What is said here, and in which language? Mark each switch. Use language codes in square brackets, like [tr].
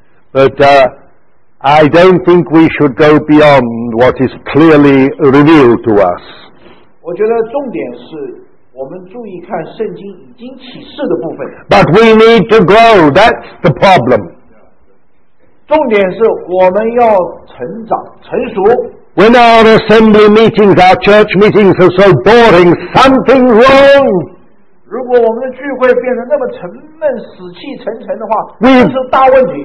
[en] But I don't think we should go beyond what is clearly revealed to us. [zh] 我觉得重点是我们注意看圣经已经启示的部分。 [en] But we need to grow, that's the problem. [zh] 重点是我们要成长成熟。 [en] When our assembly meetings, our church meetings are so boring, something wrong. [zh] 如果我们的聚会变得那么沉闷死气沉沉的话，这是大问题。